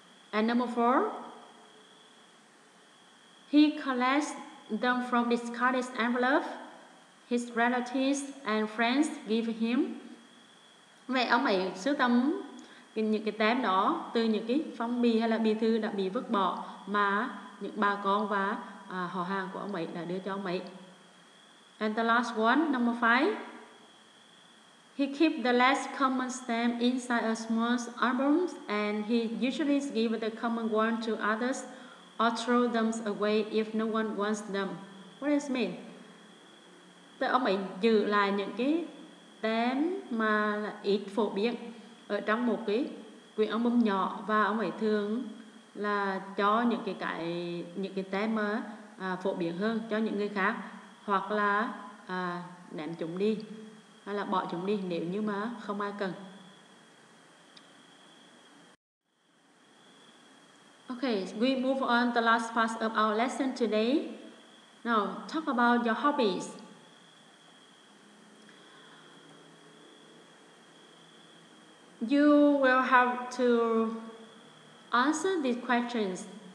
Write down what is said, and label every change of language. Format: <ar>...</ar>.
<en>And number four, he collects them from discarded envelope his relatives and friends give him.</en> <vi>Vậy ông ấy sưu tầm những cái tem đó từ những cái phong bì hay là bì thư đã bị vứt bỏ mà những bà con và họ hàng của ông ấy đã đưa cho ông ấy.</vi> <en>And the last one, number five, he keeps the less common stamp inside a small album and he usually gives the common one to others or throw them away if no one wants them. What does it mean?</en> <vi>Tức ông ấy giữ lại những cái tem mà là ít phổ biến ở trong một cái quyển album nhỏ và ông ấy thường là cho những cái tem mà phổ biến hơn cho những người khác, hoặc là ném chúng đi hay là bỏ chúng đi nếu như mà không ai cần.</vi> <en>Okay, we move on to the last part of our lesson today. Now, talk about your hobbies. You will have to answer these questions.</en>